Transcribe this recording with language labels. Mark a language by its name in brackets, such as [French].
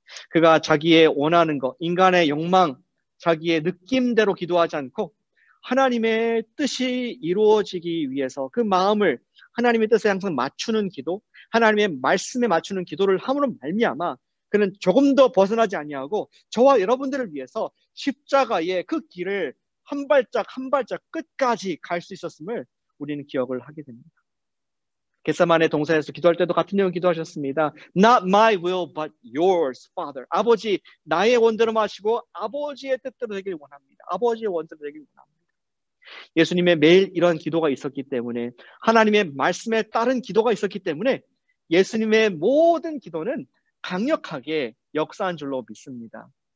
[Korean] 그가 자기의 원하는 것, 인간의 욕망, 자기의 느낌대로 기도하지 않고 하나님의 뜻이 이루어지기 위해서 그 마음을 하나님의 뜻에 항상 맞추는 기도, 하나님의 말씀에 맞추는 기도를 함으로 말미암아 그는 조금 더 벗어나지 아니하고 저와 여러분들을 위해서 십자가의 그 길을 한 발짝 한 발짝 끝까지 갈 수 있었음을 우리는 기억을 하게 됩니다. 겟세마네 동산에서 기도할 때도 같은 내용 기도하셨습니다. [English] Not my will, but yours, Father. [Korean] 아버지, 나의 원대로 마시고 아버지의 뜻대로 되길 원합니다. 아버지의 원대로 되길 원합니다. 예수님의 매일 이런 기도가 있었기 때문에 하나님의 말씀에 따른 기도가 있었기 때문에 예수님의 모든 기도는 강력하게 역사한 줄로 믿습니다.